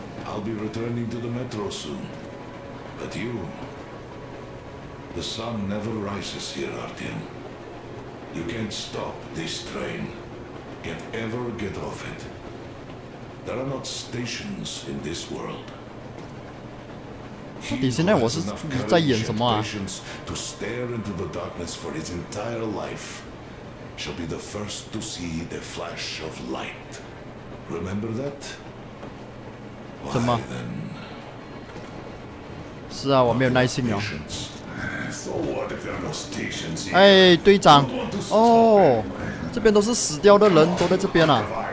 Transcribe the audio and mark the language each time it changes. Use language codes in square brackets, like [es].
[en] I'll be returning to the metro soon. But you, the sun never rises here, Artyom. You can't stop this train. Can't ever get off it. There are not stations in this world. [zh] 到底现在我是在演什么啊？ [en] Patience to stare into the darkness for his entire life shall be the first to see the flash of light. Remember that? [zh] 怎么？ [en] Why, then? [zh] 是啊，我没有耐心了。 [en] So what if there are no stations here? [zh] 哎，队长，哦，这边都是死掉的人，都在这边啊。